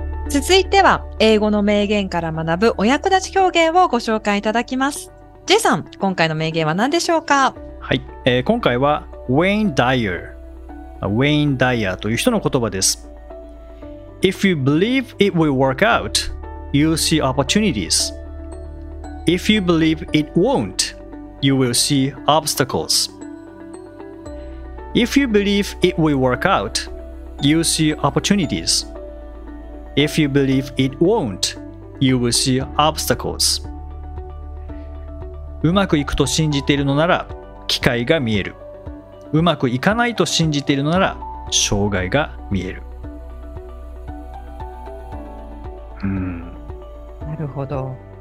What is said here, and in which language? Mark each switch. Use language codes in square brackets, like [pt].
[ja] 続いては英語の名言から学ぶお役立ち表現をご紹介いただきます。 J さん、今回の名言は何でしょうか。はい、今回はウェイン・ダイヤーという人の言葉です。 [en] If you believe it will work out, you'll see opportunities. If you believe it won't, you will see obstacles. If you believe it will work out, you'll see opportunitiesIf you believe it won't, you will see obstacles. [ja] うまくいくと信じているのなら機会が見える。うまくいかないと信じているのなら障害が見える。うん。なるほど。